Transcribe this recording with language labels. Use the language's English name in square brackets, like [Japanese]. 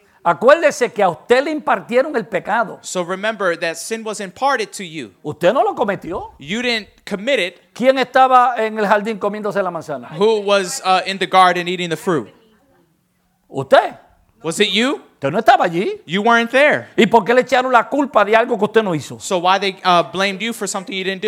[Spanish] Acuérdese que a usted le impartieron el pecado. [English] So remember that sin was imparted to you. [Spanish] Usted no lo cometió. [English] You didn't commit it. [Spanish] ¿Quién estaba en el jardín comiéndose la manzana? [English] Who was in the garden eating the fruit? [Spanish] Usted. [English] Was it you? [Spanish] Usted no estaba allí. [English] You weren't there. [Spanish] ¿Y por qué le echaron la culpa de algo que usted no hizo? [English] So why they blamed you for something you didn't do?